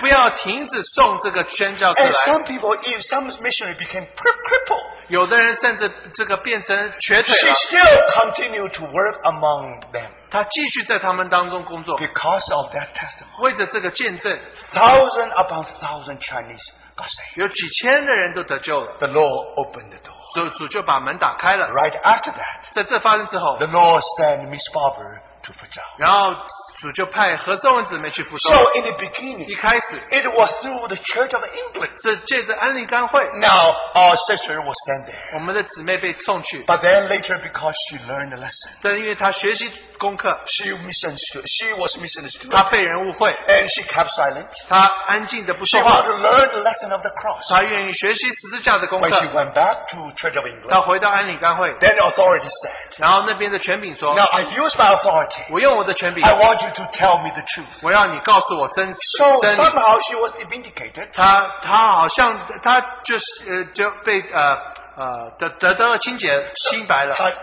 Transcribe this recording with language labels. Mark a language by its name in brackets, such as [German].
[Chinese] 不要停止送这个宣教士来, [English] and some people, if some missionary became crippled, [Chinese] 有的人甚至这个变成瘸腿了, [English] she still continued to work among them. [Chinese] 他继续在他们当中工作, [English] because of that testimony, [Chinese] 为着这个见证, [English] thousand upon thousand Chinese got saved. [Chinese] 有几千的人都得救了, [English] the Lord opened the door. [Chinese] 所以主就把门打开了, [English] right after that, [Chinese] 在这发生之后, [English] the Lord sent Miss Barber to Fuzhou. [Chinese] 然后主就派何寿文姊妹去福州。 [English] So in the beginning, [Chinese] 一开始, [English] it was through the Church of England. [Chinese] 是借着安利甘会, [English] now our sister was sent there. [Chinese] 我们的姊妹被送去, [English] but then later, because she learned the lesson, [Chinese] 但因为她学习, [English] she misunderstood. She was misunderstood. [Chinese] 她被人误会, [English] and she kept silent. [Chinese] 她安静地不说话, [English] she wanted to learn the lesson of the cross. [Chinese] 她愿意学习十字架的功课, [English] when she went back to Church of England, [Chinese] 她回到安理甘会, [English] then the authority said, [Chinese] 然后那边的权柄说, [English] now I use my authority. [Chinese] 我用我的权柄, [English] I want you to tell me the truth. [Chinese] 我让你告诉我真实, [English] so somehow she was vindicated. [Chinese] 她好像就被得到清洁清白了。